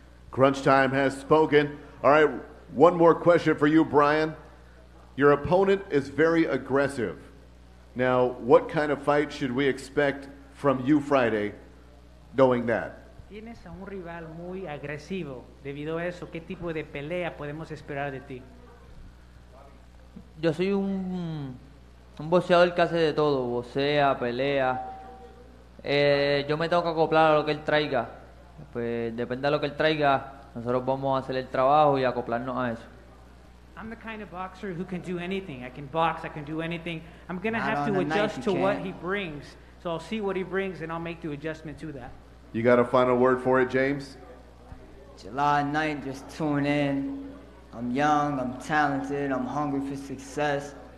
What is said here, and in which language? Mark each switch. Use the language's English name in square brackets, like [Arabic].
[English] Crunch time has spoken. All right, one more question for you, Brian. Your opponent is very aggressive. Now, what kind of fight should we expect from you Friday, knowing that? [Spanish] Tienes a un rival muy agresivo. Debido a eso, ¿qué tipo de pelea podemos esperar de ti? Yo soy un boxeador que hace de todo. Boxea, pelea. Yo me tengo que acoplar a lo que él traiga. Pues depende de lo que él traiga, nosotros vamos a hacer el trabajo y acoplarnos a eso. [English] I'm the kind of boxer who can do anything. I can box, I can do anything. I'm going to have to adjust to what he brings. So I'll see what he brings and I'll make the adjustment to that. You got a final word for it, James? July 9th, just tune in. I'm young, I'm talented, I'm hungry for success.